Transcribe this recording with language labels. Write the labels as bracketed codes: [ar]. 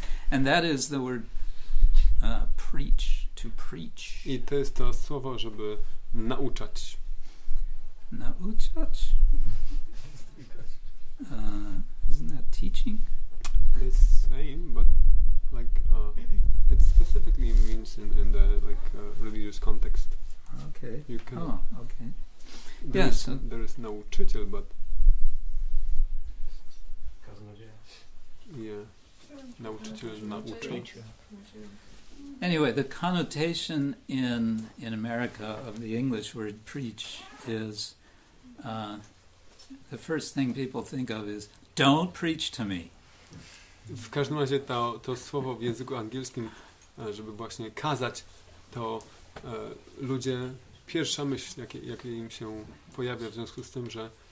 [en] And that is the word preach, to preach. [pl] I to jest to słowo, żeby nauczać. Nauczać? [en] Isn't that teaching? The same, but like it specifically means in the like religious context. Okay. You can. Oh, okay. Yes. Yeah, so there is nauczyciel, but. [pl] Kaznodzieja. Yeah. Nauczyciel nauczył. [en] Anyway, the connotation in America of the English word preach is the first thing people think of is don't preach to me. [pl] W każdym razie to słowo w języku angielskim, żeby właśnie kazać, to ludzie, pierwsza myśl, jakie im się pojawia w związku z tym, że